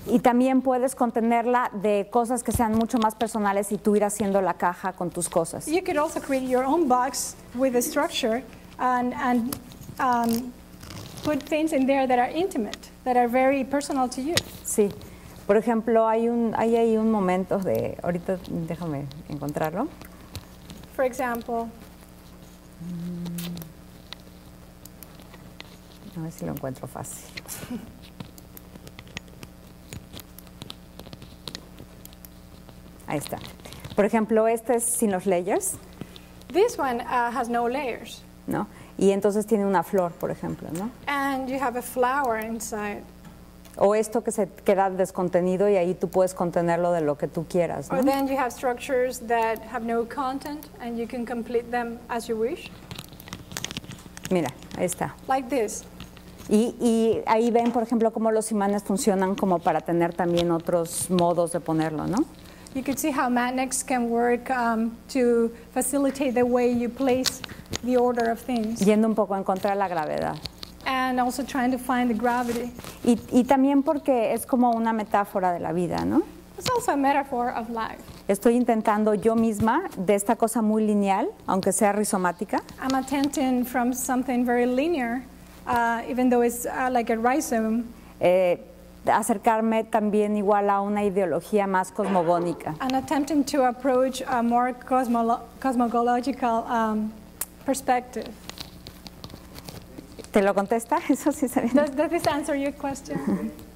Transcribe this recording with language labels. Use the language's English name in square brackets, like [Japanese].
[Spanish] Y también puedes contenerla de cosas que sean mucho más personales y tú ir haciendo la caja con tus cosas. [English] You could also create your own box with a structure and put things in there that are intimate, that are very personal to you. [Spanish] Sí. Por ejemplo, hay ahí un momento de ahorita déjame encontrarlo. [English] For example. [Spanish] A ver si lo encuentro fácil. Ahí está. Por ejemplo, este es sin los layers. [English] This one has no layers. [Spanish] ¿No? Y entonces tiene una flor, por ejemplo, ¿no? [English] And you have a flower inside. [Spanish] O esto que se queda descontenido y ahí tú puedes contenerlo de lo que tú quieras, ¿no? [English] Or then you have structures that have no content and you can complete them as you wish. [Spanish] Mira, ahí está. [English] Like this. [Spanish] Y ahí ven, por ejemplo, cómo los imanes funcionan como para tener también otros modos de ponerlo, ¿no? [English] You could see how magnets can work to facilitate the way you place the order of things. [Spanish] Yendo un poco en contra de la gravedad. [English] And also trying to find the gravity. [Spanish] Y también porque es como una metáfora de la vida, ¿no? [English] It's also a metaphor of life. [Spanish] Estoy intentando yo misma de esta cosa muy lineal, aunque sea rizomática. [English] I'm attempting from something very linear. Even though it's like a rhizome, [Spanish] acercarme también igual a una ideología más cosmogónica. [English] And attempting to approach a more cosmological perspective. [Spanish] ¿Te lo contesta? Eso sí se viene. [English] Does this answer your question?